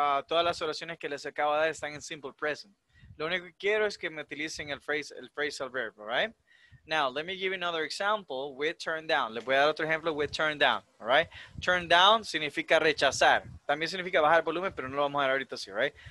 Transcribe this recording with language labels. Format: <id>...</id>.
<es>Todas las oraciones que les acabo de dar están en simple present. Lo único que quiero es que me utilicen el phrasal verb, all right?</es> <en>Now, let me give you another example with turn down.</en> <es>Les voy a dar otro ejemplo with turn down, all right? Turn down significa rechazar. También significa bajar el volumen, pero no lo vamos a dar ahorita así, right?</es>